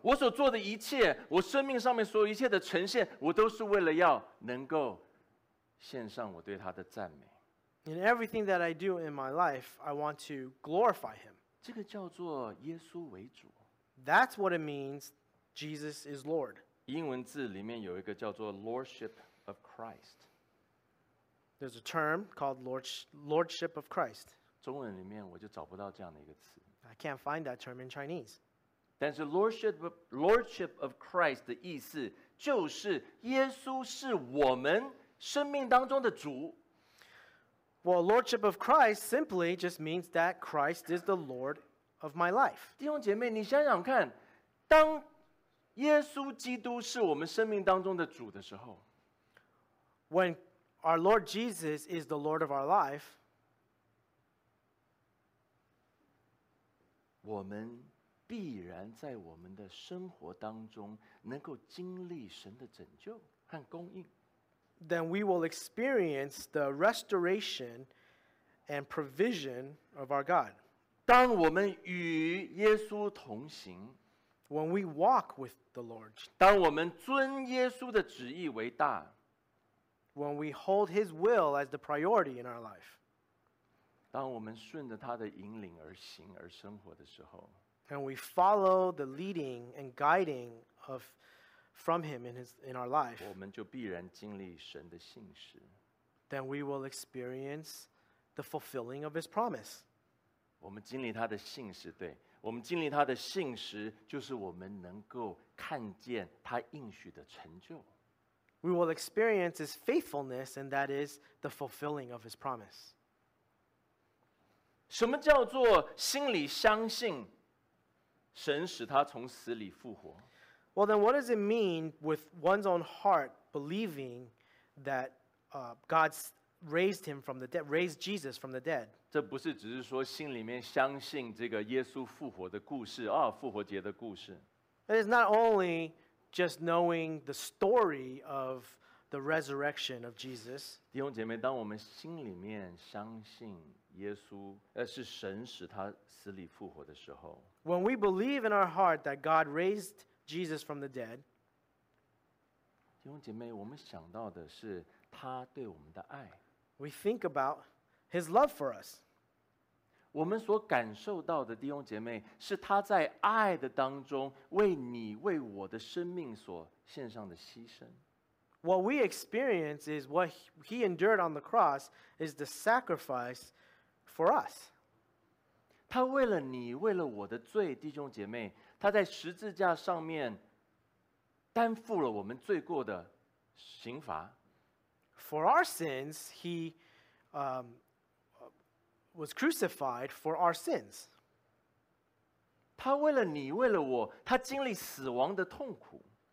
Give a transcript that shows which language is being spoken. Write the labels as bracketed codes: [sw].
[zh] 我所做的一切，我生命上面所有一切的呈现，我都是为了要能够献上我对他的赞美。 [en] In everything that I do in my life, I want to glorify him. [zh] 这个叫做耶稣为主。 [en] That's what it means, Jesus is Lord. [zh] 英文字里面有一个叫做 Lordship of Christ. [en] There's a term called Lordship of Christ. [zh] 中文里面我就找不到这样的一个词。 [en] I can't find that term in Chinese. [zh] 但是 Lordship of Christ 的意思就是耶稣是我们生命当中的主。 [en] Well, Lordship of Christ simply just means that Christ is the Lord of my life. [zh] 弟兄姐妹，你想想看，当耶稣基督是我们生命当中的主的时候， [en] When our Lord Jesus is the Lord of our life, [zh] 我们必然在我们的生活当中能够经历神的拯救和供应。 [en] Then we will experience the restoration and provision of our God. [zh] 当我们与耶稣同行， [en] When we walk with the Lord. [zh] 当我们尊耶稣的旨意为大， [en] When we hold His will as the priority in our life. [zh] 当我们顺着他的引领而行而生活的时候， [en] And we follow the leading and guiding of from Him in our life. [zh] 我们就必然经历神的信实。 [en] Then we will experience the fulfilling of His promise. [zh] 我们经历他的信实，对，我们经历他的信实，就是我们能够看见他应许的成就。 [en] We will experience His faithfulness, and that is the fulfilling of His promise. [zh] 什么叫做心里相信神使他从死里复活？ [en] Well, then what does it mean with one's own heart believing that God raised him from the dead, raised Jesus from the dead? [zh] 这不是只是说心里面相信这个耶稣复活的故事，啊，复活节的故事。 [en] It is not only just knowing the story of the resurrection of Jesus. [zh] 弟兄姐妹，当我们心里面相信耶稣，是神使他死里复活的时候， [en] When we believe in our heart that God raised Jesus from the dead. [zh] 弟兄姐妹，我们想到的是他对我们的爱。 [en] We think about His love for us. [zh] 我们所感受到的，弟兄姐妹，是他在爱的当中为你为我的生命所献上的牺牲。 [en] What we experience is what He endured on the cross is the sacrifice for us. [zh] 他为了你，为了我的罪，弟兄姐妹，他在十字架上面担负了我们罪过的刑罚。 [en] For our sins, He was crucified for our sins. [zh] 他为了你，为了我，他经历死亡的痛苦。